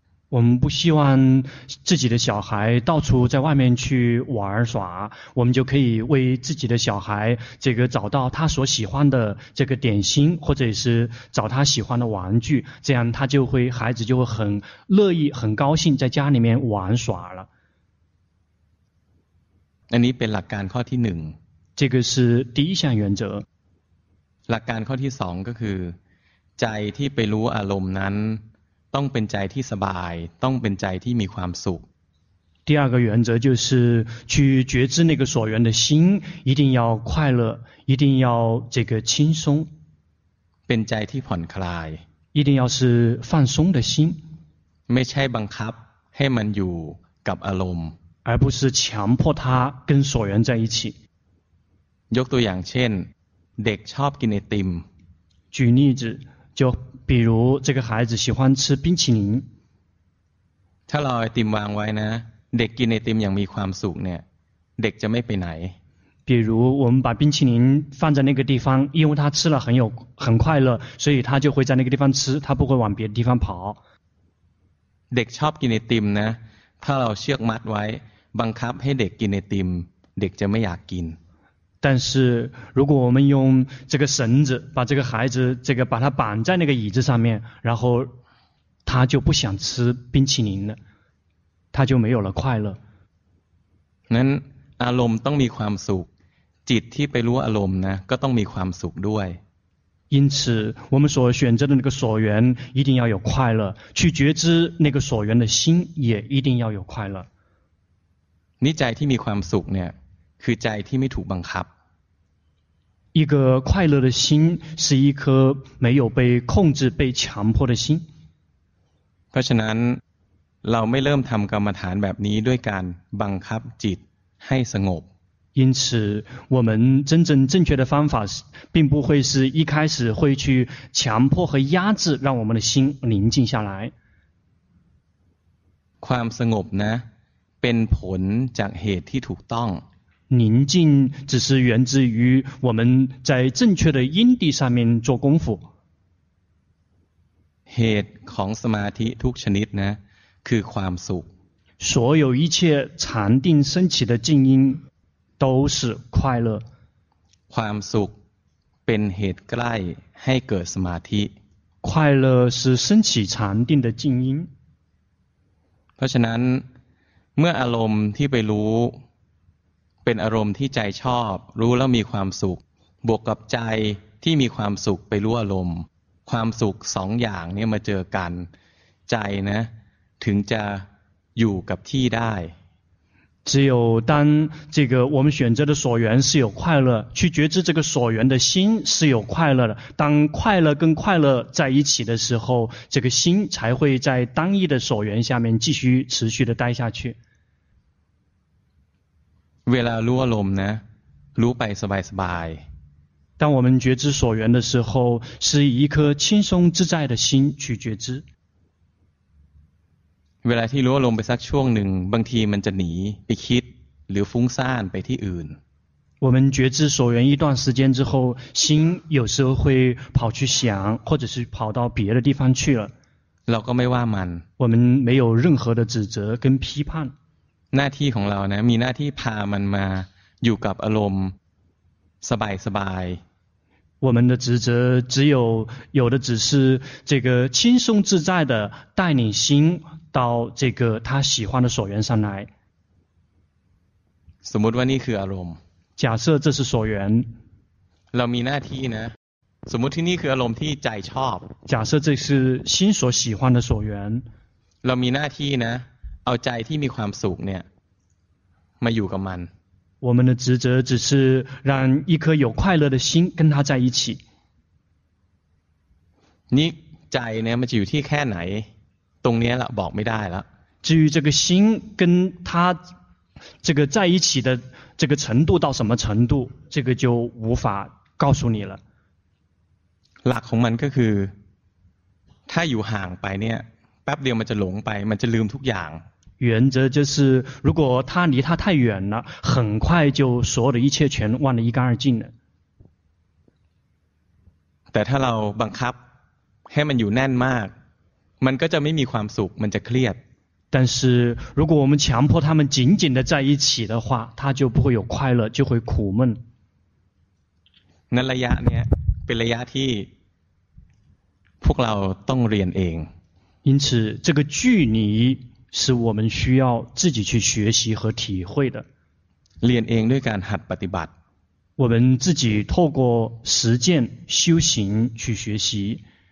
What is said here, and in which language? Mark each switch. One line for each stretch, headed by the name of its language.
Chinese: 我们不希望自己的小孩到处在外面去玩耍，我们就可以为自己的小孩这个找到他所喜欢的这个点心，或者是找他喜欢的玩具，这样他就会孩子就会很乐意很高兴在家里面玩耍了。
Thai: อันนี้เป็นหลักการข้อที่หนึ่ง
Chinese: 这个是第一项原则。
Thai: หลักการข้อที่สองก็คือใจที่ไปรู้อารมณ์นั้นต้องเป็นใจที่สบายต้องเป็นใจที่มีความสุข
Chinese: 第二个原则就是去觉知那个所缘的心一定要快乐一定要这个轻松
Thai: เป็นใจที่ผ่อนคลาย
Chinese: 一定要是放松的心
Thai: ไม่ใช่บังคับให้มันอยู่กับอารมณ์
Chinese: 而不是强迫他跟所缘在一起
Thai: ยกตัวอย่างเช่นเด็กชอบกินไอติม
Chinese: 举例子就比如这个孩子喜欢吃冰淇淋
Thai: ถ้าเราไอติมวางไว้นะเด็กกินไอติมอย่างมีความสุขเนี่ยเด็กจะไม่ไปไหน
Chinese: 比如我们把冰淇淋放在那个地方因为他吃了很快乐所以他就会在那个地方吃他不会往别的地方跑
Thai: เด็กชอบกินไอติมนะถ้าเราเชือกมัดไว้บังคับให้เด็กกินไอติมเด็กจะไม่อยากกิน
Chinese: 但是如果我们用这个绳子把这个孩子这个把他绑在那个椅子上面然后他就不想吃冰淇淋了他就没有了快乐
Thai: นั้นอารมณ์ต้องมีความสุขจิตที่ไปรู้อารมณ์นะก็ต้องมีความสุขด้วย
Chinese: 因此我们所选择的那个所缘一定要有快乐去觉知那个所缘的心也一定要有快乐
Thai: นี่ใจที่มีความสุขเนี่ยคือใจที่ไม่ถูกบังคับ
Chinese: 一个快乐的心是一颗没有被控制被强迫的心
Thai: เพราะฉะนั้นเราไม่เริ่มทำกรรมฐานแบบนี้ด้วยการบังคับจิตให้สงบ
Chinese: 因此我们真正正确的方法并不会是一开始会去强迫和压制让我们的心宁静下来
Thai: ความสงบนะเป็นผลจากเหตุที่ถูกต้อง
Chinese: 宁静只是源自于我们在正确的因地上面做功夫。
Thai: เหตุของสมาธิทุกชนิดนะคือความสุข
Chinese: 所有一切禅定升起的静音都是快乐。
Thai: ความสุขเป็นเหตุใกล้ให้เกิดสมาธิ
Chinese: 快乐是升起禅定的静音。
Thai: เพราะฉะนั้นเมื่ออารมณ์ที่ไปรู้เป็นอารมณ์ที่ใจชอบรู้แล้วมีความสุขบวกกับใจที่มีความสุขไปรู้อารมณ์ความสุขสองอย่างเนี่ยมาเจอกันใจนะถึงจะอยู่กับที่ได้
Chinese: 只有当这个我们选择的所缘是有快乐去觉知这个所缘的心是有快乐的当快乐跟快乐在一起的时候这个心才会在单一的所缘下面继续持续的待下去
Thai: เวลารู้อารมณ์นะรู้ไปสบายสบาย
Chinese: 当我们觉知所缘的时候是以一颗轻松自在的心去觉知
Thai: เวลาที่รู้อารมณ์ไปสักช่วงหนึ่งบางทีมันจะหนีไปคิดหรือฟุ้งซ่านไปที่อื่น
Chinese: 我们觉知所缘一段时间之后心有时候会跑去想或者是跑到别的地方去了
Thai: เราก็ไม่ว่ามัน
Chinese: 我们没有任何的指责跟批判
Thai: หน้าที่ของเรานะมีหน้าที่พามันมาอยู่กับอารมณ์สบายสบาย
Chinese: 我们的职责只有有的只是这个轻松自在的带领心到这个他喜欢的所缘上来
Thai: สมมติว่านี่คืออารมณ์
Chinese: 假设这是所缘
Thai: เรามีหน้าที่นะสมมติที่นี่คืออารมณ์ที่ใจชอบ
Chinese: 假设这是心所喜欢的所缘
Thai: เรามีหน้าที่นะเอาใจที่มีความสุขเนี่ยมาอยู่กับมัน
Chinese: 我们的职责只是让一颗有快乐的心跟他在一起
Thai: นี่ใจเนี่ยมันจะอยู่ที่แค่ไหนตรงนี้ล่ะบอกไม่ได้แล้ว
Chinese: 至于这个心跟他这个在一起的这个程度到什么程度这个就无法告诉你了
Thai: หลักของมันก็คือถ้าอยู่ห่างไปเนี่ยแป๊บเดียวมันจะหลงไปมันจะลืมทุกอย่าง
Chinese: 原则就是如果他离他太远了很快就所有的一切全忘得一干二净了
Thai: แต่ถ้าเราบังคับให้มันอยู่แน่นมากมันก็จะไม่มีความสุขมันจะเครียด
Chinese: 但是如果我们强迫他们紧紧的在一起的话他就不会有快乐就会苦闷
Thai: นั้นระยะเนี้ยเป็นระยะที่พวกเราต้องเรียนเอง
Chinese: 因此这个距离是我们需要自己去学习和体会的
Thai: เรียนเองด้วยการหัดปฏิบัติ
Chinese: 我们自己透过实践修行去学习